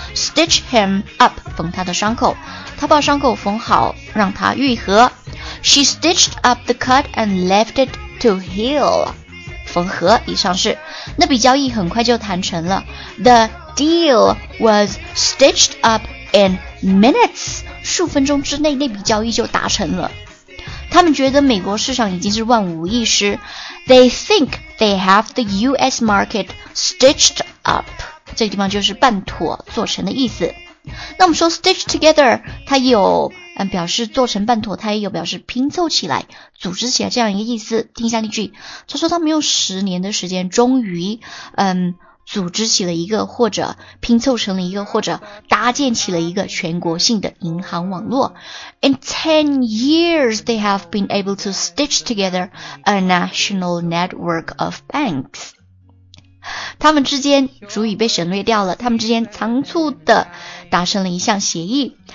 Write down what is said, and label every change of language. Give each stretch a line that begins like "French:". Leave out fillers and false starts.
English: Stitch him up，
Chinese: 缝他的伤口，他把伤口缝好让他愈合。
English: She stitched up the cut and left it to heal，
Chinese: 缝合以上是。那笔交易很快就谈成了。
English: The deal was stitched up in minutes.
Chinese: 数分钟之内那笔交易就达成了。他们觉得美国市场已经是万无一失。
English: They think they have the US market stitched up.
Chinese: 这个地方就是半妥做成的意思。那我们说 stitch together, 它有表示做成半妥，它也有表示拼凑起来组织起来这样一个意思。听一下例句，他说他们用十年的时间终于组织起了一个，或者拼凑成了一个，或者搭建起了一个全国性的银行网络。
English: In 10 years they have been able to stitch together a national network of banks.
Chinese: 他们之间主语被省略掉了，他们之间仓促地达成了一项协议。